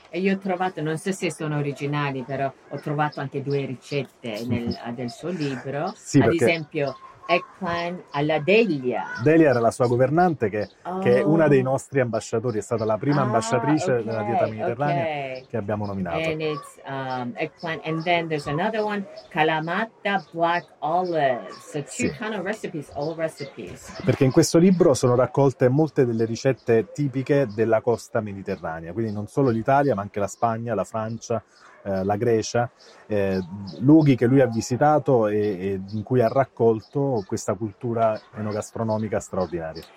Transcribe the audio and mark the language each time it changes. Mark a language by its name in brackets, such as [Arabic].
[Italian] E io ho trovato, non so se sono originali, però ho trovato anche due ricette del suo libro. Sì, ad esempio eggplant alla Delia. Delia era la sua governante, che è una dei nostri ambasciatori, è stata la prima ambasciatrice della dieta mediterranea che abbiamo nominato. [English] And it's eggplant, and then there's another one, calamata black olive. So two kind of recipes, all recipes. [Italian] Perché in questo libro sono raccolte molte delle ricette tipiche della costa mediterranea, quindi non solo l'Italia, ma anche la Spagna, la Francia, la Grecia, luoghi che lui ha visitato e in cui ha raccolto questa cultura enogastronomica straordinaria.